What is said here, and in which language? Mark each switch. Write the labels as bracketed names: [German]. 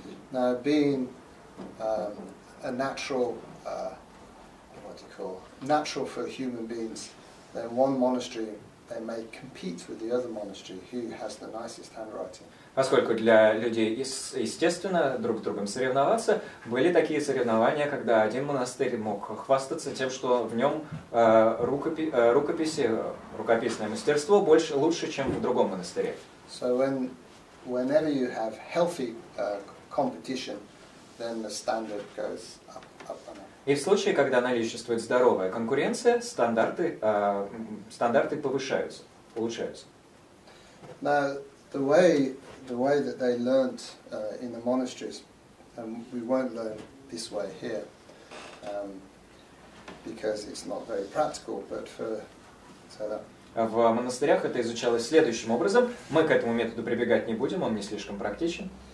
[English] Now, being a natural, what do you call, natural for human beings, then one monastery, they may compete with the other monastery, who has the nicest handwriting. [Russian] Поскольку для людей, естественно, друг с другом соревноваться, были такие соревнования, когда один монастырь мог хвастаться тем, что в нем рукописное мастерство лучше, чем в другом монастыре. [English] So whenever you have healthy competition, then the standard goes up and up. [Russian] И в случае, когда наличествует здоровая конкуренция, стандарты повышаются, улучшаются. [English] The way that they learned in the monasteries, and we won't learn this way here, because it's not very practical. But for [Russian] в монастырях это изучалось следующим образом. Мы к этому методу прибегать не будем, он не слишком практичен.